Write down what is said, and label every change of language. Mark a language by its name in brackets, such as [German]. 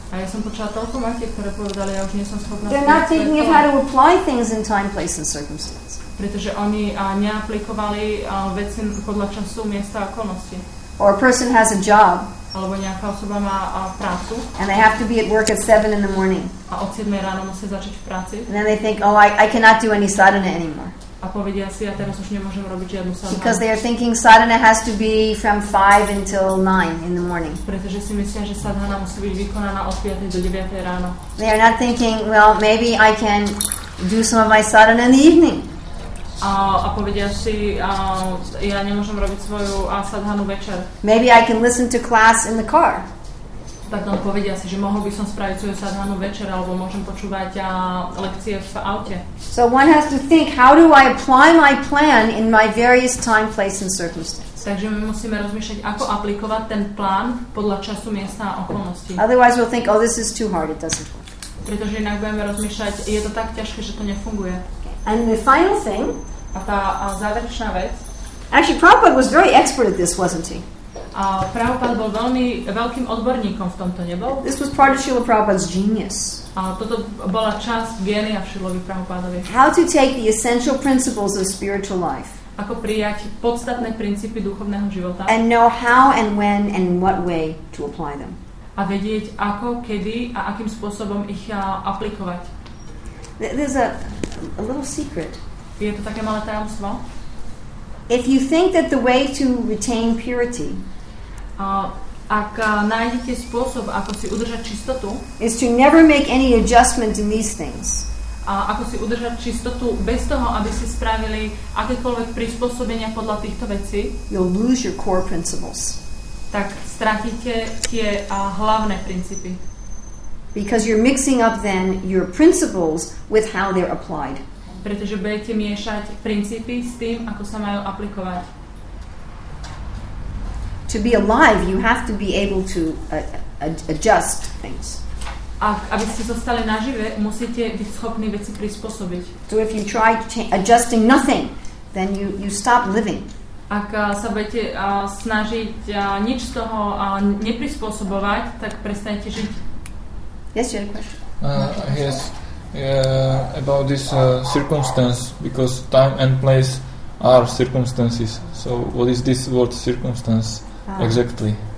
[Slovak] A ja som počula toľko matiek, ktoré povedali, ja už nie som schopná. [English] They're not thinking of how to apply things in time, place and circumstance. [Slovak] Pretože oni neaplikovali veci podľa času, miesta a okolnosti. [English] Or a person has a job. [Slovak] Alebo nejaká osoba má prácu. [English] And they have to be at work at 7 in the morning. [Slovak] A od 7 ráno musia začať v práci. [English] And then they think, oh, I cannot do any sadhana anymore. [Slovak] A povedia si, ja teraz už nemôžem robiť žiadnu sadhana. [English] Because they are thinking sadhana has to be from 5 until 9 in the morning. [Slovak] Pretože si myslia, že sadhana musí byť vykonaná od 5 do 9 ráno. [English] They are not thinking, well, maybe I can do some of my sadhana in the evening. [Slovak] A povedia si, ja nemôžem robiť svoju sadhanu večer. [English] Maybe I can listen to class in the car. [Slovak] Tak on povedia si, že mohol by som spraviť svoju sadhanu večer, alebo môžem počúvať lekcie v aute. [English] So one has to think, how do I apply my plan in my various time, place and circumstances? [Slovak] Takže my musíme rozmýšľať, ako aplikovať ten plán podľa času, miesta a okolností. [English] Otherwise we'll think, oh, this is too hard, it doesn't work. [Slovak] Pretože inak budeme rozmýšľať, je to tak ťažké, že to nefunguje. [English] And the final thing, [Slovak] a tá záverečná vec. [English] Actually, Prabhupada was very expert at this, wasn't he? [Slovak] A Prabhupada bol veľmi veľkým odborníkom v tomto, nebol? [English] This was part of Srila Prabhupada's genius. [Slovak] A toto bola časť génia Srilovi Prabhupadovi. [English] How to take the essential principles of spiritual life. [Slovak] Ako prijať podstatné princípy duchovného života. [English] And know how and when and in what way to apply them. [Slovak] A vedieť, ako, kedy a akým spôsobom ich aplikovať. [English] There's a little secret. [Slovak] Je to také malé tajomstvo? [English] If you think that the way to retain purity [Slovak] ak nájdete spôsob, ako si udržať čistotu, [English] is to never make any adjustment in these things, [Slovak] a ako si udržať čistotu bez toho, aby si spravili akékoľvek prispôsobenia podľa týchto vecí, [English] you'll lose your core principles. [Slovak] Tak stratíte tie hlavné princípy. [English] Because you're mixing up then your principles with how they're applied. [Slovak] Pretože budete miešať princípy s tým, ako sa majú aplikovať. [English] To be alive, you have to be able to adjust things. [Slovak] Aby ste zostali nažive, musíte byť schopní veci prispôsobiť. [English] So if you try adjusting nothing, then you stop living. [Slovak] Ak sa budete snažiť nič z toho neprispôsobovať, tak prestanete žiť. [English] Yes, you had a question. Yes, about this circumstance, because time and place are circumstances. So what is this word circumstance exactly?